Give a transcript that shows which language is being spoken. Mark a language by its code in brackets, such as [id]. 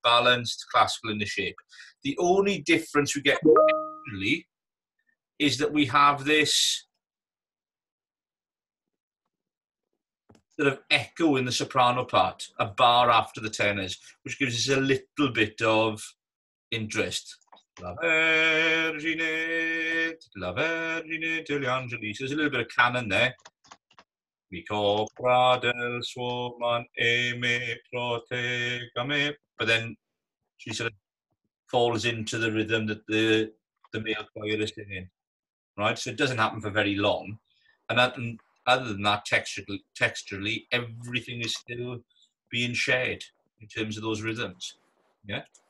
[en] Balanced, classical in the shape. The only difference we get is that we have this sort of echo in the soprano part, a bar after the tenors, which gives us a little bit of interest. [it] La Vergine, La Vergine degli Angeli. [en] So there's a little bit of canon there. [it] Mi copra del suo man e me protegga me. [en] But then she sort of falls into the rhythm that the male choir is singing. Right? So it doesn't happen for very long. And other than that, texturally, everything is still being shared in terms of those rhythms. Yeah?